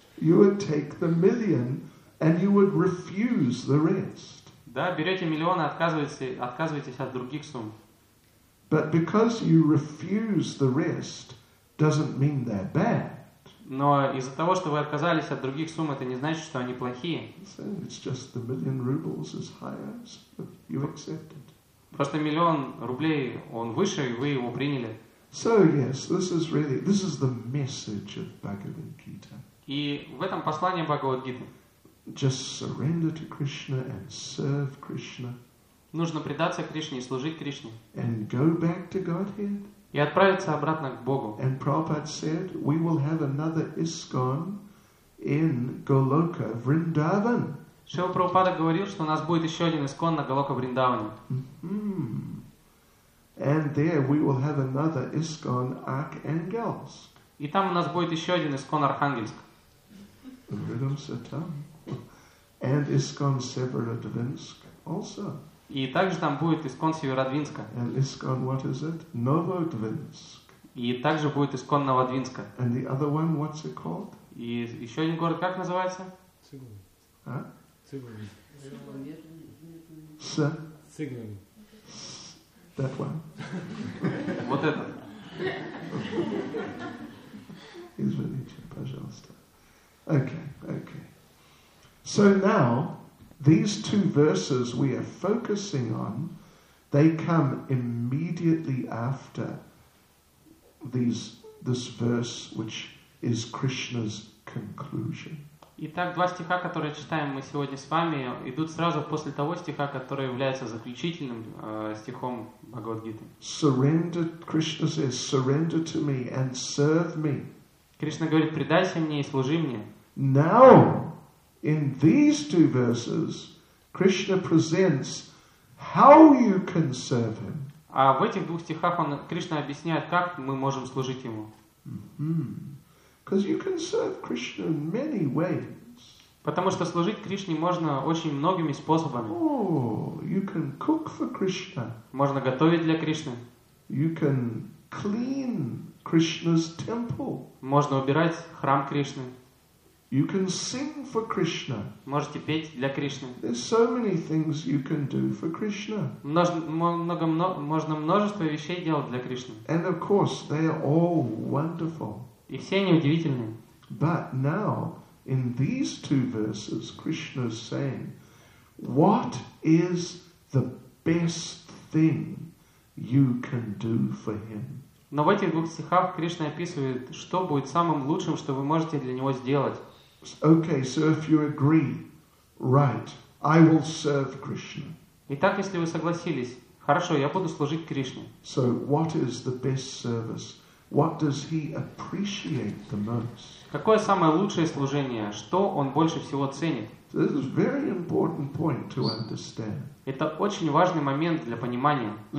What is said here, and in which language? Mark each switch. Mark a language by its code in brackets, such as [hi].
[en] You would take the million and you would refuse the rest. [ru] Да, берете миллион и отказываетесь от других сумм. [en] But because you refuse the rest doesn't mean they're bad. [ru] Но из-за того, что вы отказались от других сумм, это не значит, что они плохие. [en] It's just the million rubles is higher, but you accepted. [ru] Просто миллион рублей, он выше, и вы его приняли. [en] So yes, this is the message of Bhagavad Gita. [ru] И в этом послание Бхагавад Гиты. [en] Just surrender to Krishna and serve Krishna. [ru] Нужно предаться Кришне и служить Кришне. [en] And go back to Godhead. [ru] И отправиться обратно к Богу. [en] And Prabhupada said, we will have another ISKCON in Goloka Vrindavan. [ru] Шрила Прабхупада говорил, что у нас будет еще один ИСККОН на Голока Вриндаване. [en] And there we will have another ISKCON Arkhangelsk. [ru] И там у нас будет еще один ИСККОН Архангельск. [en] And ISKCON Severodvinsk also. [ru] И также там будет ИСККОН Северодвинска. [en] And ISKCON, what is it? Новодвинск. [ru] И также будет ИСККОН Новодвинска. [en] And the other one, what's it called? [ru] И еще один город как называется? Цигун. [en] That one. [ru] Вот это. Извините, пожалуйста. Okay. [en] So now, these two verses we are focusing on, they come immediately after this verse, which is Krishna's conclusion. [ru] Итак, два стиха, которые читаем мы сегодня с вами, идут сразу после того стиха, который является заключительным стихом Бхагавад-гиты. [en] Surrender, Krishna says, surrender to me and serve me. [ru] Кришна говорит, предайся мне и служи мне. [en] Now, in these two verses, Krishna presents how you can serve him. [ru] А в этих двух стихах он Кришна объясняет, как мы можем служить ему. [en] Because you can serve Krishna in many ways. [ru] Потому что служить Кришне можно очень многими способами. [en] Oh, you can cook for Krishna. [ru] Можно готовить для Кришны. [en] You can clean Krishna's temple. [ru] Можно убирать храм Кришны. [en] You can sing for Krishna. [ru] Можете петь для Кришны. [en] There's so many things you can do for Krishna. [ru] Можно множество вещей делать для Кришны. [en] And of course, they are all wonderful. [ru] И все они удивительны. [en] But now, in these two verses, Krishna is saying, what is the best thing you can do for him? [ru] Но в этих двух стихах Кришна описывает, что будет самым лучшим, что вы можете для него сделать. [en] Okay, so if you agree, right, I will serve Krishna. [ru] Итак, если вы согласились, хорошо, я буду служить Кришне. [en] So what is the best service? What does he appreciate the most? [ru] Какое самое лучшее служение? Что он больше всего ценит? [en] This is a very important point to understand. [ru] Это очень важный момент для понимания.